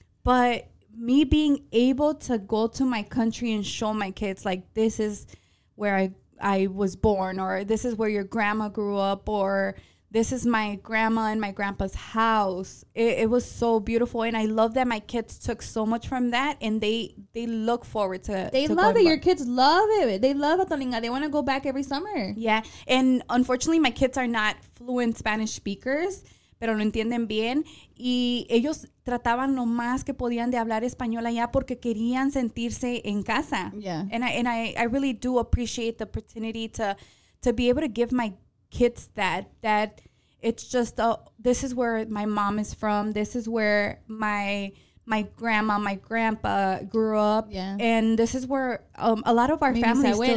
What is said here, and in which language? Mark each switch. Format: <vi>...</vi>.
<en>But me being able to go to my country and show my kids like this is where I was born, or this is where your grandma grew up, or this is my grandma and my grandpa's house. It was so beautiful. And I love that my kids took so much from that. And they look forward to it. They love it. Your kids love it. They love Atalinga. They want to go back every summer. Yeah. And unfortunately, my kids are not fluent Spanish speakers.</en> <es>Pero no entienden bien. Y ellos trataban lo más que podían de hablar español allá porque querían sentirse en casa.</es> <en>Yeah. And I really do appreciate the opportunity to be able to give my kids that it's just this is where my mom is from, this is where my grandma, my grandpa grew up, yeah, and this is where a lot of our family still</en>